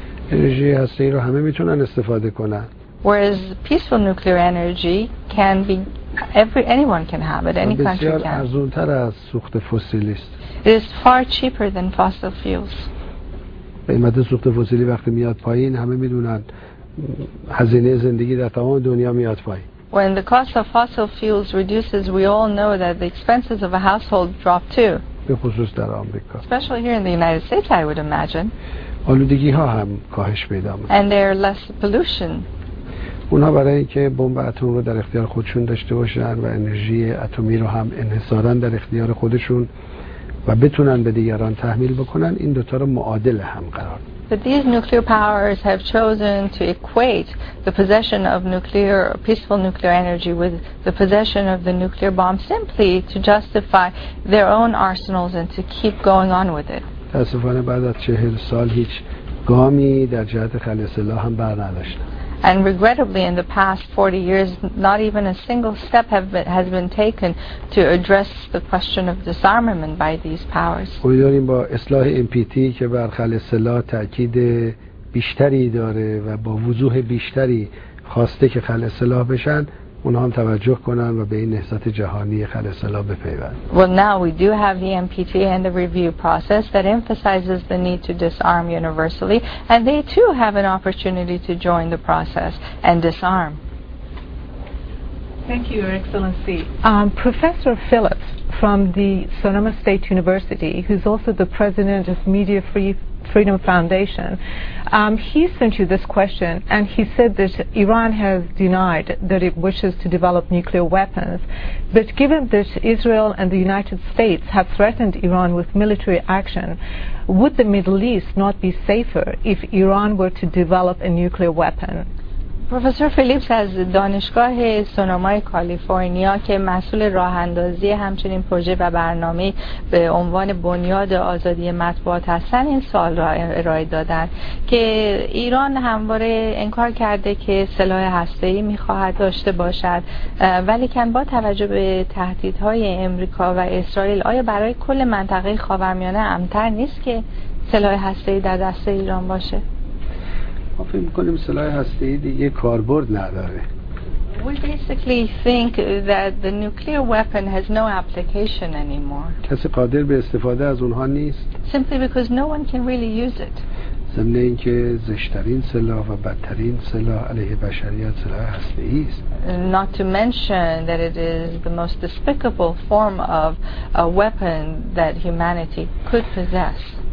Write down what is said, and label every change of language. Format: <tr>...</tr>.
<fa>انرژی هسته‌ای رو همه میتونن استفاده کنن.</fa> <en>Whereas peaceful nuclear energy can be anyone can have it, any country can.</en> <fa>بسیار ارزان‌تر از سوخت فسیلی است.</fa> <en>It is far cheaper than fossil fuels.</en> <fa>قیمت سوخت فسیلی وقتی میاد پایین همه میدونن هزینه زندگی در تمام دنیا میاد پایین.</fa> <en>When the cost of fossil fuels reduces, we all know that the expenses of a household drop too.</en> <fa>به خصوص در آمریکا.</fa> <en>Especially here in the United States, I would imagine.</en> <fa>آلودگی ها هم کاهش پیدا می‌کنه.</fa> <en>And there are less pollution.</en> <fa>اونها برای اینکه بمب اتم رو در اختیار خودشون داشته باشن و انرژی اتمی رو هم انحصاراً در اختیار خودشون و بتونن به دیگران تحمیل بکنن، این دو تا رو معادل هم قرار.</fa> <en>But these nuclear powers have chosen to equate the possession of nuclear, peaceful nuclear energy with the possession of the nuclear bomb simply to justify their own arsenals and to keep going on with it.</en> <fa>متاسفانه بعد از 40 سال هیچ گامی در جهت خلع سلاح هم بر نداشتن.</fa> <en>And regrettably, in the past 40 years, not even a single step has been taken to address the question of disarmament by these powers. We are talking about</en> <fa>اصلاح NPT که بر خلع سلاح تأکید بیشتری داره و با وضوح بیشتری خواسته که خلع سلاح بشن. اونها هم توجه کنن و به این نهضت جهانی خلع سلاح بپیوند.</fa> <en>Well, now we do have the NPT and the review process that emphasizes the need to disarm universally, and they too have an opportunity to join the process and disarm. Thank you, Your Excellency. Professor Phillips from the Sonoma State University, who's also the president of Media Freedom Foundation, he sent you this question, and he said that Iran has denied that it wishes to develop nuclear weapons. But given that Israel and the United States have threatened Iran with military action, would the Middle East not be safer if Iran were to develop a nuclear weapon?</en> <fa>پروفسور فیلیپس از دانشگاه سونوما کالیفرنیا که مسئول راه اندازی همچنین پروژه و برنامه به عنوان بنیاد آزادی مطبوعات هستن، این سوال را ارائه دادن که ایران همواره انکار کرده که سلاح هسته‌ای می‌خواهد داشته باشد، ولیکن با توجه به تهدیدهای امریکا و اسرائیل، آیا برای کل منطقه خاورمیانه امن‌تر نیست که سلاح هسته‌ای در دست ایران باشه؟ فکر می‌کنیم سلاح هسته‌ای دیگه کاربرد نداره.</fa> <en>We basically think that the nuclear weapon has no application anymore.</en> <fa>کسی قادر به استفاده از اونها نیست.</fa> <en>Simply because no one can really use it.</en> <fa>ضمن اینکه زشت‌ترین سلاح و بدترین سلاح علیه بشریت سلاح هسته‌ای است.</fa> <en>Not to mention that it is the most despicable form of a weapon that humanity could possess.</en>